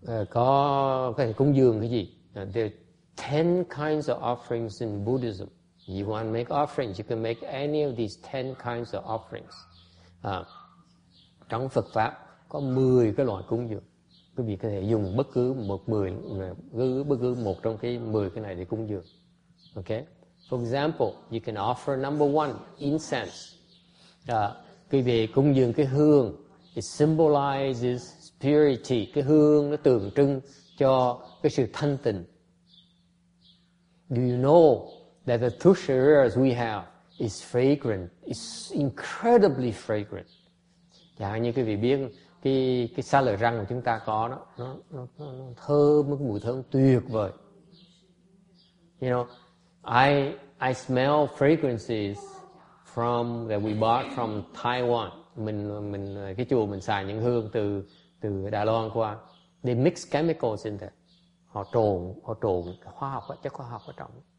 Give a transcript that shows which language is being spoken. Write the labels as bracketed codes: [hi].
[vi] Có thể cúng dường cái gì? [en] There are 10 kinds of offerings in Buddhism. You want to make offerings, you can make any of these 10 kinds of offerings. [vi] Trong Phật Pháp có 10 cái loại cúng dường. Quý vị có thể dùng bất cứ một 10, bất cứ một trong cái 10 cái này để cúng dường. Okay? [en] For example, you can offer number one, incense. [vi] Quý vị cúng dường cái hương, [en] it symbolizes purity. [vi] Cái hương nó tượng trưng cho cái sự thanh tịnh. [en] Do you know that the tushars we have is fragrant, is incredibly fragrant? [vi] Chẳng hạn như quý vị biết cái xà lợi răng của chúng ta có đó, nó thơm, cái mùi thơm tuyệt vời. [en] You know, I smell fragrances from that we bought from Taiwan. [vi] Mình cái chùa mình xài những hương từ Đài Loan qua. [en] They mix chemicals in there. [vi] Họ trộn khoa học, chất khoa học ở trong.